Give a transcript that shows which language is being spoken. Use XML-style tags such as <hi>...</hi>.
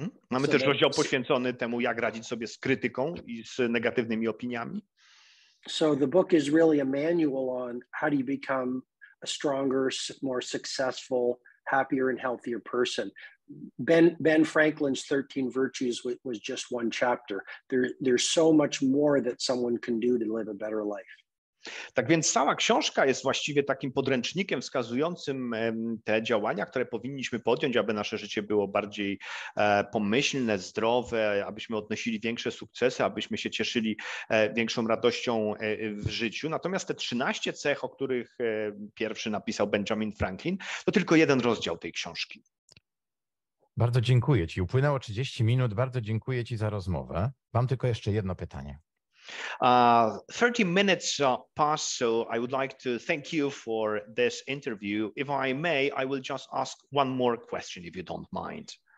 <pl>Mamy też rozdział poświęcony temu, jak radzić sobie z krytyką i z negatywnymi opiniami.</pl> <en>So the book is really a manual on how do you become a stronger, more successful, happier and healthier person. Ben Franklin's 13 virtues was just one chapter. There's so much more that someone can do to live a better life.</en> <pl>Tak więc cała książka jest właściwie takim podręcznikiem wskazującym te działania, które powinniśmy podjąć, aby nasze życie było bardziej pomyślne, zdrowe, abyśmy odnosili większe sukcesy, abyśmy się cieszyli większą radością w życiu. Natomiast te 13 cech, o których pierwszy napisał Benjamin Franklin, to tylko jeden rozdział tej książki. Bardzo dziękuję Ci. Upłynęło 30 minut. Bardzo dziękuję Ci za rozmowę. Mam tylko jeszcze jedno pytanie.</pl> <en>30 minutes passed, so I would like to thank you for this interview. If I may, I will just ask one more question, if you don't mind.</en>